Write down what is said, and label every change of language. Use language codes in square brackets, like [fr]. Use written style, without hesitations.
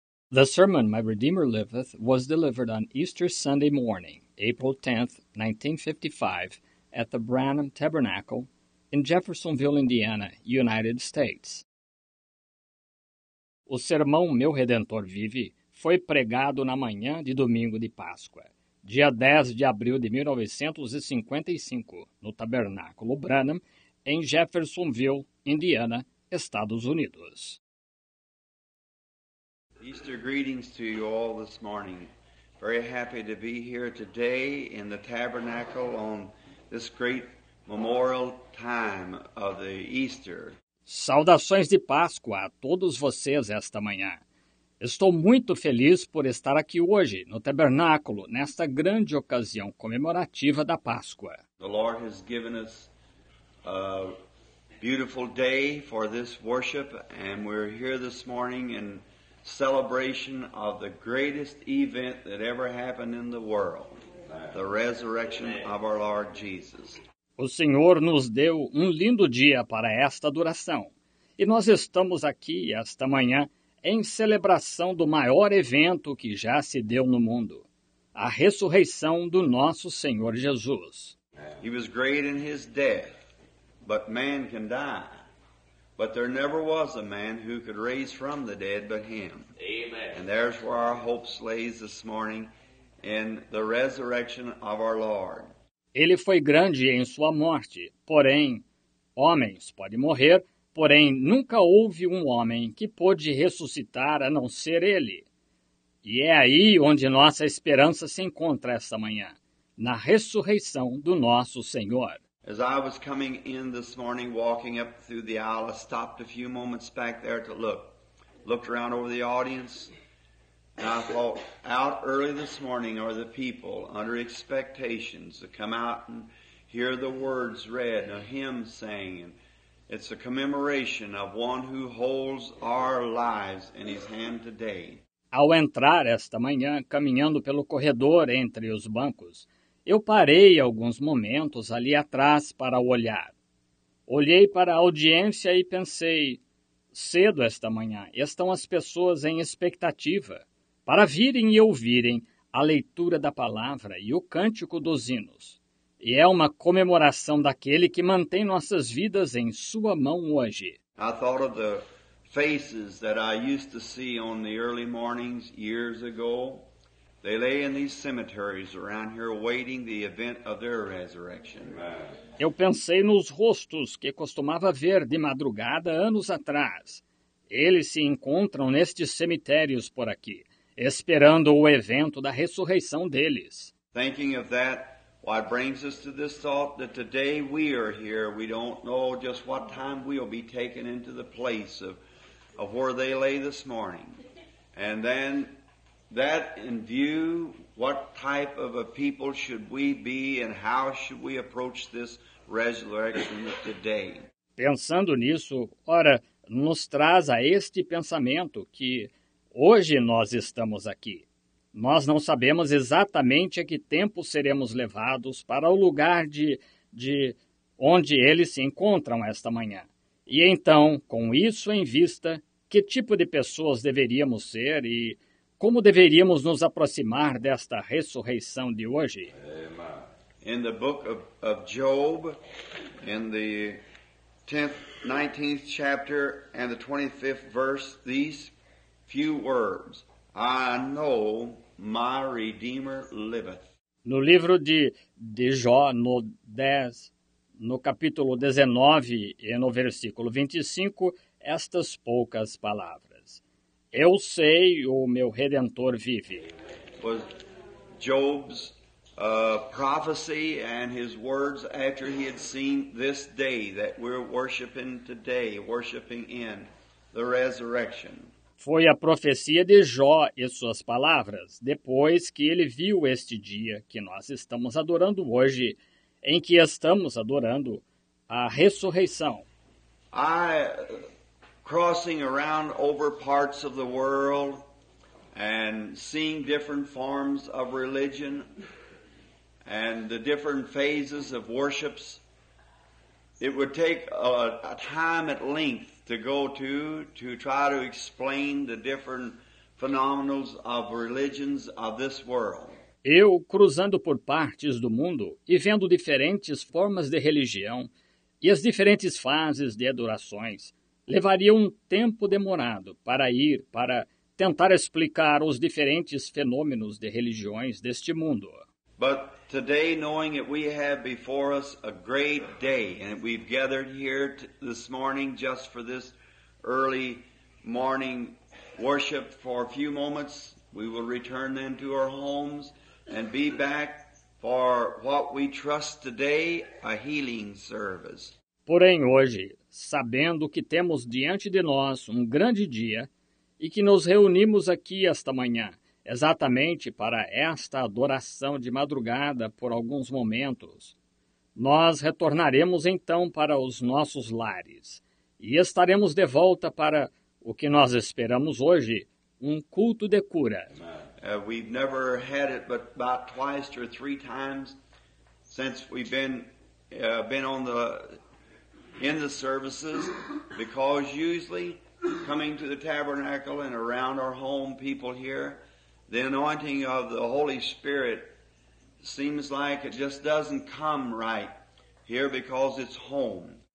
[en] The sermon, My Redeemer Liveth, was delivered on Easter Sunday morning, April 10, 1955, at the Branham Tabernacle in Jeffersonville, Indiana, United States. [pt] O sermão Meu Redentor Vive foi pregado na manhã de domingo de Páscoa, dia 10 de abril de 1955, no Tabernáculo Branham, em Jeffersonville, Indiana, Estados Unidos. [en] Easter greetings to you all this morning. Very happy to be here today in the tabernacle on this great memorial time of the Easter. [pt] Saudações de Páscoa a todos vocês esta manhã. Estou muito feliz por estar aqui hoje no tabernáculo nesta grande ocasião comemorativa da Páscoa. [en] The Lord has given us a beautiful day for this worship, and we're here this morning in celebration of the greatest event that ever happened in the world, the resurrection of our Lord Jesus. [pt] O Senhor nos deu um lindo dia para esta adoração, e nós estamos aqui esta manhã em celebração do maior evento que já se deu no mundo, a ressurreição do nosso Senhor Jesus. [en] He was great in his death, but man can die. But there never was a man who could raise from the dead but him. Amen. And there's where our hope lays this morning, in the resurrection of our Lord. [pt] Ele foi grande em sua morte, porém, homens podem morrer, porém, nunca houve um homem que pôde ressuscitar a não ser ele. E é aí onde nossa esperança se encontra esta manhã, na ressurreição do nosso Senhor. [en] As I was coming in this morning, walking up through the aisle, I stopped a few moments back there to look. Looked around over the audience, and I thought, out early this morning are the people under expectations to come out and hear the words read, a hymn sang. It's a commemoration of one who holds our lives in his hand today. [pt] Ao entrar esta manhã, caminhando pelo corredor entre os bancos, eu parei alguns momentos ali atrás para olhar. Olhei para a audiência e pensei, cedo esta manhã, estão as pessoas em expectativa para virem e ouvirem a leitura da palavra e o cântico dos hinos. E é uma comemoração daquele que mantém nossas vidas em sua mão hoje. [en] I thought of the faces that I used to see on the early mornings years ago. They lay in these cemeteries around here waiting the event of their resurrection. [pt] Eu pensei nos rostos que costumava ver de madrugada anos atrás. Eles se encontram nestes cemitérios por aqui, esperando o evento da ressurreição deles. [en] Thinking of that, what brings us to this thought that today we are here, we don't know just what time we'll be taken into the place of where they lay this morning. And then that in view, what type of a people should we be and how should we approach this resurrection today? [pt] Pensando nisso, ora, nos traz a este pensamento que hoje nós estamos aqui. Nós não sabemos exatamente a que tempo seremos levados para o lugar de onde eles se encontram esta manhã. E então, com isso em vista, que tipo de pessoas deveríamos ser e como deveríamos nos aproximar desta ressurreição de hoje? [en] In the book of Job, in the 19th chapter and the 25th verse, these few words, I know my Redeemer liveth. [pt] No livro de Jó, no capítulo 19 e no versículo 25, estas poucas palavras. Eu sei, o meu Redentor vive. [en] Was Job's prophecy and his words after he had seen this day that we're worshiping today, worshiping in the resurrection. [pt] Foi a profecia de Jó e suas palavras, depois que ele viu este dia que nós estamos adorando hoje, em que estamos adorando a ressurreição. [en] Crossing around over parts of the world and seeing different forms of religion and the different phases of worships, it would take a time at length to go to try to explain the different phenomenons of religions of this world. [pt] Eu, cruzando por partes do mundo e vendo diferentes formas de religião e as diferentes fases de adorações, levaria um tempo demorado para ir para tentar explicar os diferentes fenômenos de religiões deste mundo. [en] But today, knowing that we have before us a great day, and that we've gathered here this morning just for this early morning worship for a few moments, we will return then to our homes and be back for what we trust today, a healing service. [pt] Porém, hoje, sabendo que temos diante de nós um grande dia e que nos reunimos aqui esta manhã, exatamente para esta adoração de madrugada por alguns momentos, nós retornaremos então para os nossos lares e estaremos de volta para o que nós esperamos hoje, um culto de cura. [en] We've never had it but about twice or three times since we've been in the services, because usually coming to the tabernacle and around our home people here, the anointing of the Holy Spirit seems like it just doesn't come right here because it's home.